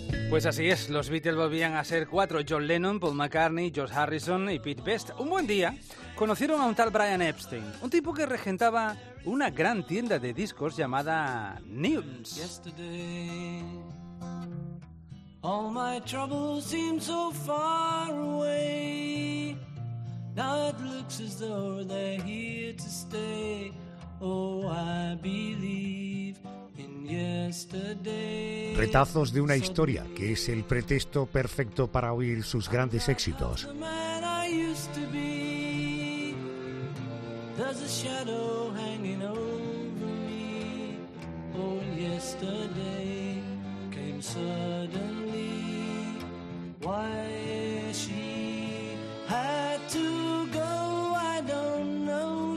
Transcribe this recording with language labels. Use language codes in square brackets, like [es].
[es] Pues así es, los Beatles volvían a ser cuatro: John Lennon, Paul McCartney, George Harrison y Pete Best. Un buen día conocieron a un tal Brian Epstein, un tipo que regentaba una gran tienda de discos llamada Newtons. [en] Yesterday, all my troubles seem so far away. Now it looks as though they're here to stay. Oh, I believe in yesterday. [es] Retazos de una historia que es el pretexto perfecto para oír sus grandes éxitos. [en] The man I used to be. There's a shadow hanging over me. Oh, yesterday came suddenly. Why she had to go, I don't know.